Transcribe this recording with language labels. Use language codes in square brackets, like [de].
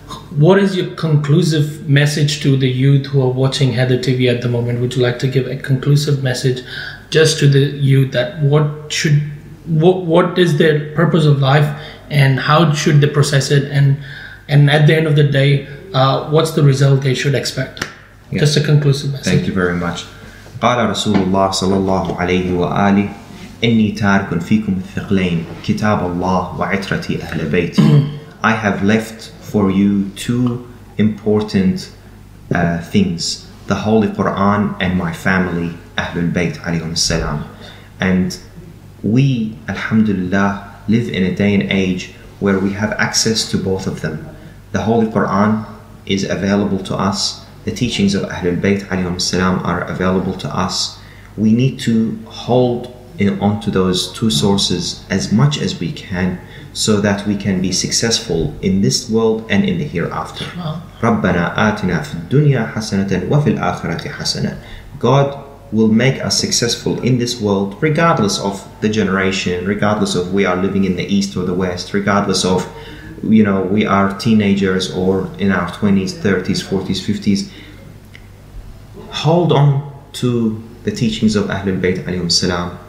[en] What is your conclusive message to the youth who are watching Heather TV at the moment? Would you like to give a conclusive message just to the youth that what is their purpose of life, and how should they process it, and at the end of the day, what's the result they should expect? Yes. Just a conclusive message. Thank you very much. [ar] قال رسول الله صلى الله عليه وآله إني تارك فيكم الثقلين كتاب الله وعترتي أهل بيتي. [en] I have left for you two important things: the Holy Quran and my family, Ahlul Bayt [ar] عليهم السلام. [en] And we, alhamdulillah, live in a day and age where we have access to both of them. The Holy Quran is available to us. The teachings of Ahlul Bayt [ar] عليهم السلام [en] are available to us. We need to hold onto those two sources as much as we can, so that we can be successful in this world and in the hereafter. [ar] ربنا آتنا في الدنيا حسنة وفي الآخرة حسنة. [en] God will make us successful in this world, regardless of the generation, regardless of we are living in the East or the West, regardless of, you know, we are teenagers or in our 20s, 30s, 40s, 50s. Hold on to the teachings of Ahlul Bayt alayhim salam.